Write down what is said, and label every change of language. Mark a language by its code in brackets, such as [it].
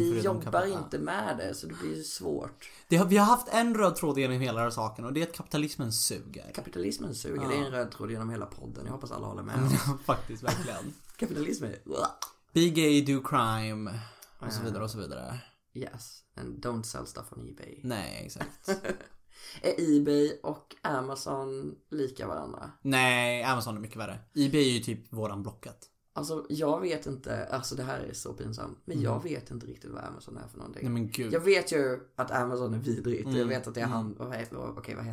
[sv] förutom kapitalet. Vi jobbar inte med det, så det blir ju svårt. Vi har haft en röd tråd genom hela den saken, och det är att kapitalismen suger. Kapitalismen suger, det är en röd tråd genom hela podden. Jag hoppas alla håller med. Faktiskt, verkligen. Kapitalism är... [en] Be gay, do crime, [sv] och så vidare, och så vidare. [en] Yes, and don't sell stuff on eBay. [sv] Nej, exakt. Är eBay och Amazon lika varandra? Nej, Amazon är mycket värre. eBay är ju typ våran Blocket. Alltså, jag vet inte, alltså det här är så pinsamt, men jag vet inte riktigt vad Amazon är för någonting. Nej, men gud. Jag vet ju att Amazon är vidrigt, jag vet att det är han, vad heter